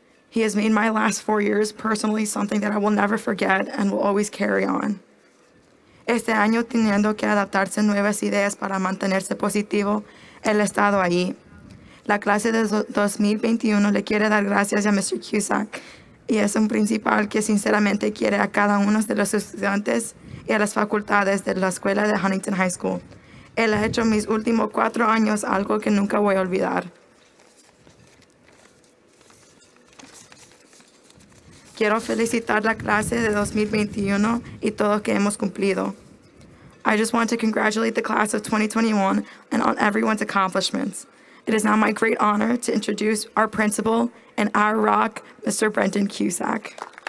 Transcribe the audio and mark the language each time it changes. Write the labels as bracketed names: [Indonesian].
[English] He has made my last 4 years personally something that I will never forget and will always carry on. [Spanish] Este año teniendo que adaptarse nuevas ideas para mantenerse positivo, él ha estado ahí. La clase de 2021 le quiere dar gracias a Mr. Cusack y es un principal que sinceramente quiere a cada uno de los estudiantes y a las facultades de la escuela de Huntington High School. Él ha hecho mis últimos 4 años algo que nunca voy a olvidar. Quiero felicitar la clase de 2021 y todo que hemos cumplido. [English] I just want to congratulate the class of 2021 and on everyone's accomplishments. It is now my great honor to introduce our principal and our rock, Mr. Brendan Cusack.